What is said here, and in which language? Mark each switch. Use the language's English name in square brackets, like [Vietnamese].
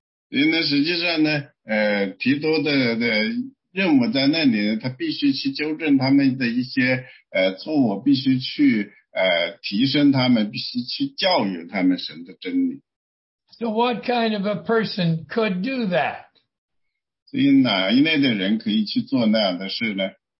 [Chinese] 因为实际上呢，提多的任务在那里呢，他必须去纠正他们的一些错误，必须去提升他们，必须去教育他们神的真理。 [English] So what kind of a person could do that? [Chinese] 所以哪一类的人可以去做那样的事呢？